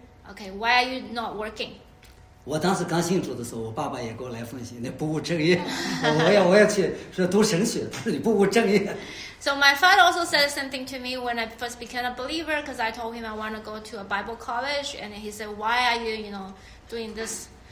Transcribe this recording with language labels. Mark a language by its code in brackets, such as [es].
[en] Okay, why are you not working? [zh] 我当时刚信主的时候，我爸爸也给我来封信，那不务正业，我要去是读神学，你不务正业。 [en] So my father also said the same thing to me when I first became a believer, because I told him I want to go to a Bible college, and he said, why are you, you know, doing this?